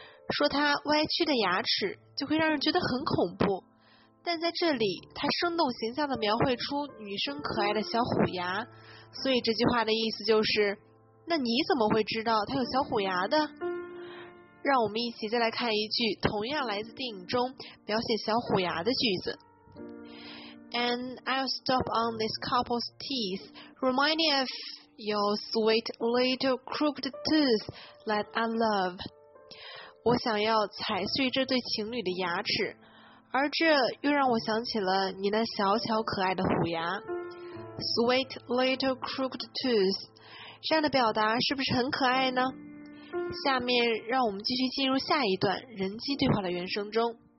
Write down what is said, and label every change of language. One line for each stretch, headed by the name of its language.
Chinese: 说它歪曲的牙齿就会让人觉得很恐怖，但在这里它生动形象地描绘出女生可爱的小虎牙，所以这句话的意思就是那你怎么会知道它有小虎牙的。让我们一起再来看一句同样来自电影中描写小虎牙的句子。
English: And I'll stop on this couple's teeth reminding of your sweet little crooked tooth that I love。
Chinese: 我想要踩碎这对情侣的牙齿，而这又让我想起了你那小巧可爱的虎牙。
English: Sweet little crooked tooth，
Chinese: 这样的表达是不是很可爱呢？下面让我们继续进入下一段人机对话的原声中。